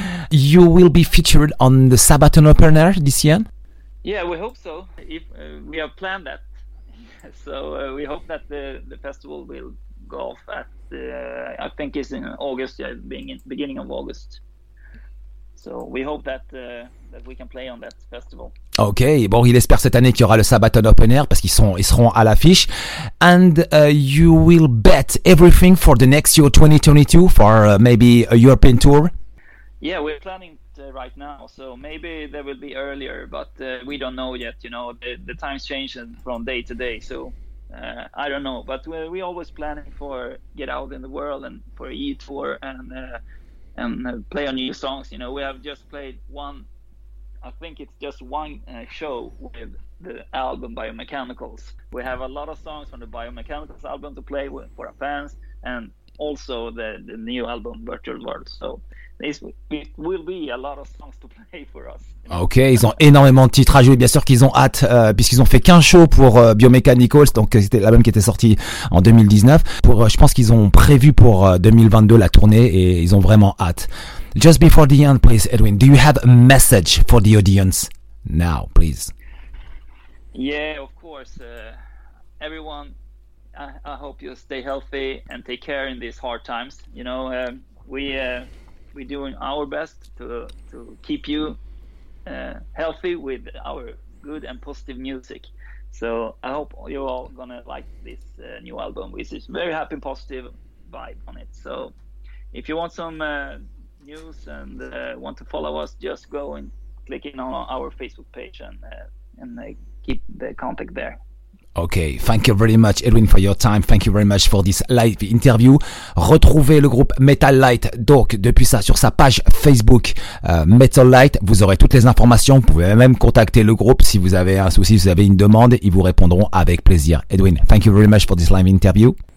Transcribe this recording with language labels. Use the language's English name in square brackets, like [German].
[English] You will be featured on the Sabaton opener this year? Yeah, we hope so. If we have planned that. So we hope that the festival will go off at I think it's in August, yeah, beginning of August. So we hope that that we can play on that festival. [French] Okay, bon, il espère cette année qu'il y aura le Sabaton opener parce qu'ils seront à l'affiche. [English] And you will bet everything for the next year 2022 for maybe a European tour? Yeah, we're planning it right now, so maybe there will be earlier, but we don't know yet, you know, the times change from day to day, so I don't know, but we always planning for get out in the world and for a tour and play on new songs, you know. We have just played one, I think it's just one show with the album Biomechanicals. We have a lot of songs from the Biomechanicals album to play for our fans, and also the new album Virtual World. So it will be a lot of songs to play for us. [French] Ok, ils ont énormément de titres à jouer. Bien sûr qu'ils ont hâte, puisqu'ils ont fait qu'un show pour Biomechanicals, donc c'était l'album qui était sorti en 2019. Je pense qu'ils ont prévu pour 2022 la tournée et ils ont vraiment hâte. [English] Just before the end, please, Edwin, do you have a message for the audience now, please? Yeah, of course. Everyone, I hope you stay healthy and take care in these hard times. You know, we're doing our best to keep you healthy with our good and positive music. So I hope you're all gonna like this new album, which is very happy and positive vibe on it. So if you want some news and want to follow us, just go and click in on our Facebook page and keep the contact there. Okay, thank you very much, Edwin, for your time. Thank you very much for this live interview. [French] Retrouvez le groupe Metal Light, donc, depuis ça, sur sa page Facebook Metal Light. Vous aurez toutes les informations. Vous pouvez même contacter le groupe si vous avez un souci, si vous avez une demande. Ils vous répondront avec plaisir. [English] Edwin, thank you very much for this live interview.